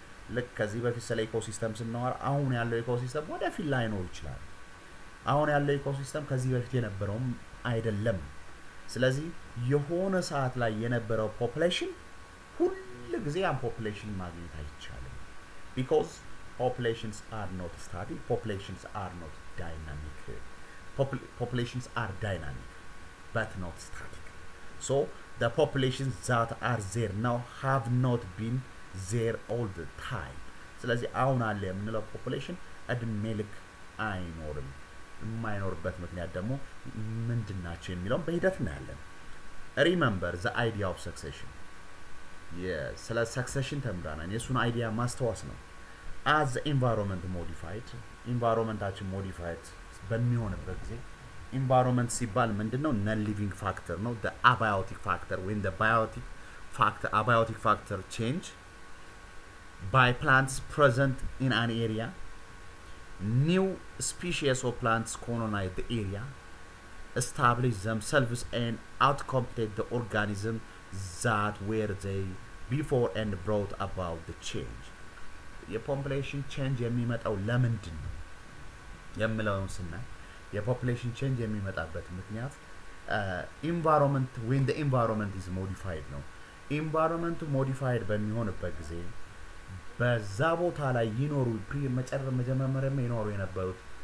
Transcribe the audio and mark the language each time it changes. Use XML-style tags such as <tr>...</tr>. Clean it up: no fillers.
<am>ለከ ዚህ በፊት ስለ ኢኮሲስተምስ እናወራ አሁን ያለው ኢኮሲስተም ወደፊት ላይ ነው ይችላል አሁን ያለው ኢኮሲስተም ከዚህ በፊት የነበረውም አይደለም። ስለዚህ የሆነ ሰዓት ላይ የነበረው population ሁሉ ጊዜ ያን population ማግኘት አይቻልም.</am> <en>Because populations are not static, populations are not dynamic. Populations are dynamic, but not static. So the populations that are there now have not been there all the time.</en> <am>ስለዚህ አሁን አለ የምንለው population እድሜ ልክ አይኖርም። የማይኖርበት ምክንያት ደግሞ ምንድን ናቸው የሚለውን በሂደት እናያለን።</am> <en>Remember the idea of succession.</en> <am>Yes, ስለ succession ተምረናል። የሱን idea ማስተዋስ ነው።</am> <en>As the environment modified,</en> <am>environmentችን modified በሚሆንበት ጊዜ environment ሲባል ምንድን ነው?</am> <en>Non living factor ነው። The abiotic factor. When the abiotic factor change by plants present in an area, new species of plants colonize the area, establish themselves and outcompete the organism that were there before and brought about the change.</en> <am>Your population change የሚመጣው ለምንድን ነው የምለውን ስናይ your population change የሚመጣበት ምክንያት environment</am> <en>when the environment is modified</en> <am>ነው። environment modified በሚሆንበት ጊዜ በዛ ቦታ ላይ ይኖሩ መጀመሪያም ይኖሩ የነበሩት</am>